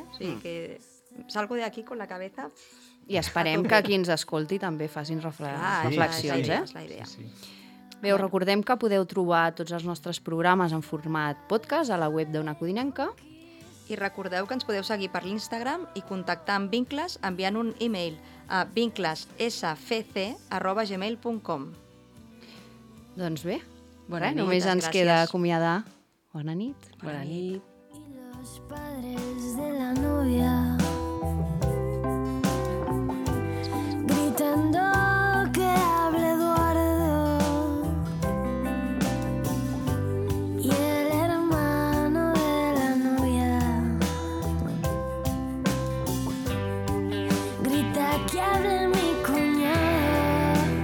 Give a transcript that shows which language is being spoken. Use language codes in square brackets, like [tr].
[ca] O sigui, que [es] salgo [ca] d'aquí [es] con la cabeza... [ca] I esperem que qui ens escolti també facin reflexions, sí, eh? És la idea. Sí, sí. Bé, us recordem que podeu trobar tots els nostres programes en format podcast a la web d'Ona Codinenca. I recordeu que ens podeu seguir per l'Instagram i contactar amb Vincles enviant un e-mail a vinclessfc@gmail.com. Doncs bé, només ens queda acomiadar. Bona nit. Bona nit. [es] I los padres de la novia gritando que hable Eduardo y el hermano de la novia grita que hable mi cuñado.